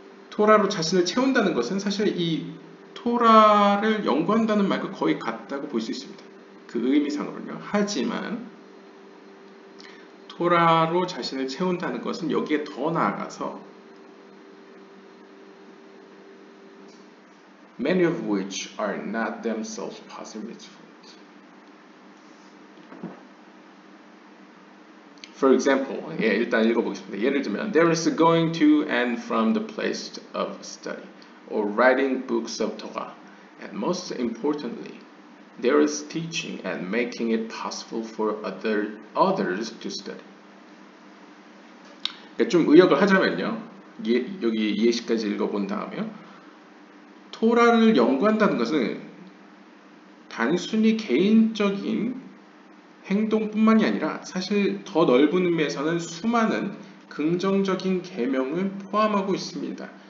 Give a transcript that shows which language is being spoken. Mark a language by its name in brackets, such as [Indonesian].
[Korean] 토라로 자신을 채운다는 것은 사실 이 토라를 연구한다는 말과 거의 같다고 볼 수 있습니다. 그 의미상으로요. 하지만 토라로 자신을 채운다는 것은 여기에 더 나아가서 [English] many of which are not themselves positive mitzvot. For example, [Korean] 예, 일단 읽어보겠습니다. 예를 들면, [English] there is going to and from the place of study, or writing books of Torah, and most importantly, there is teaching and making it possible for others to study. [Korean] 예, 좀 의역을 하자면요, 예, 여기 예시까지 읽어본 다음에요. 토라를 연구한다는 것은 단순히 개인적인 행동뿐만이 아니라 사실 더 넓은 의미에서는 수많은 긍정적인 계명을 포함하고 있습니다.